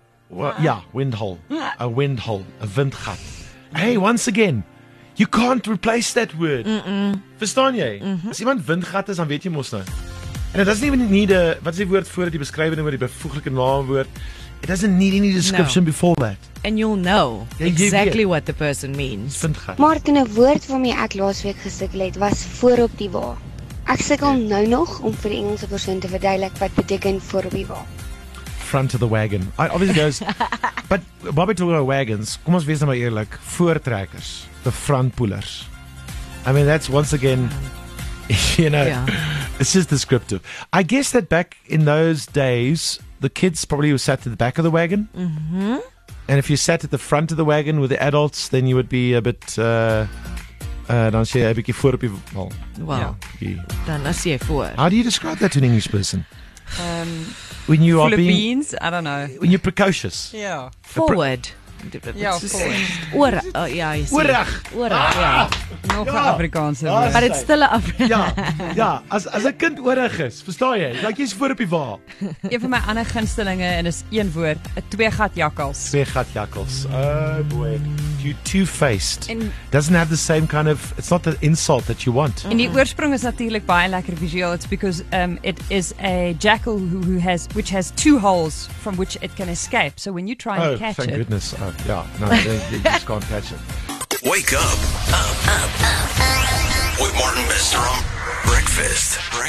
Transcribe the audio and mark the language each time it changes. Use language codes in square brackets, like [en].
[en] A windhole. A windgat. Hey, once again. You can't replace that word. [af] Verstaan jy? As iemand windgat is, dan weet jy mos nou. En dit is nie net nie wat is die woord voor die beskrywende oor die bevoeglike naamwoord. [en] It doesn't need any description before that. And you'll know exactly what the person means. [af] Martin, 'n woord wat my ek laas week gesukkel het was voorop die wa. Ek sukkel nou nog om vir die Engelse persoon te verduidelik wat beteken voorop die wa. [en] Front of the wagon. I obviously goes but Bobby talking about wagons. [af] Kom ons wees nou maar eerlik, voortrekkers, [en] the front pullers. I mean that's once again you know it's just descriptive. I guess that back in those days the kids probably were sat at the back of the wagon. And if you sat at the front of the wagon with the adults, then you would be a bit... [af] dan sê jy a bietjie voor op die... Well, dan as jy voor. [en] How do you describe that to an English person? When you are being... Full of beans? I don't know. When you're precocious. Yeah. Forward. But it's still Afrikaans. [af] Ja, ja, as 'n kind oorig is, verstaan jy? Like jy's voor op die waal. Een van my ander gunstelinge en is een woord, 'n twee-gat jakkals. [en] Oh boy, you two-faced. Doesn't have the same kind of, it's not the insult that you want. [af] En die oorsprong is natuurlik baie lekker visueel. [en] It's because it is a jackal which has two holes from which it can escape. So when you try and catch it. Oh, thank goodness. You just can't catch it. Wake up. With Martin Bestrom. Breakfast.